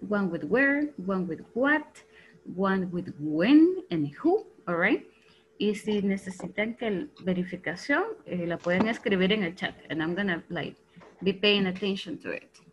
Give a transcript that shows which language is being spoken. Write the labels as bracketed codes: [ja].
[en] One with where, one with what, one with when and who, all right? [es] Y si necesitan que verificación, la pueden escribir en el chat. [en] And I'm gonna, like, be paying attention to it.